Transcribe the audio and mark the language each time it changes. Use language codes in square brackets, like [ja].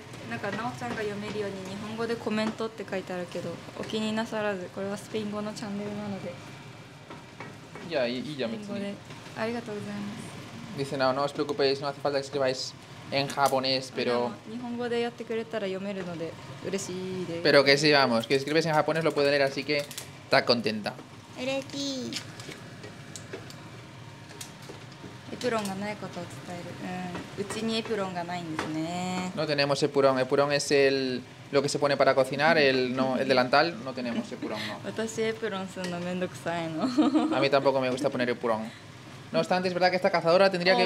[ja] なんか Nao さんが読めるように日本語でコメントって書いてあるけどお気になさらずこれはスペイン語のチャンネルなのでいやいいじゃん別にありがとうございます [es] Dice Nao, no os preocupéis, no hace falta que escribáis en japonés, pero [ja] 日本語でやってくれたら読めるので嬉しいで [es] Pero que sí, vamos, que escribes en japonés lo puede leer, así que está contenta [ja] 嬉しいエプロンがないことを伝える。うちにエプロンがないんですね。 [es] No tenemos epurón. Epurón es el lo que se pone para cocinar, el no el delantal. No tenemos epurón. No. [ja] 私エプロンするのめんどくさいの。 [es] A mí tampoco me gusta poner epurón. No obstante, es verdad que esta cazadora tendría que.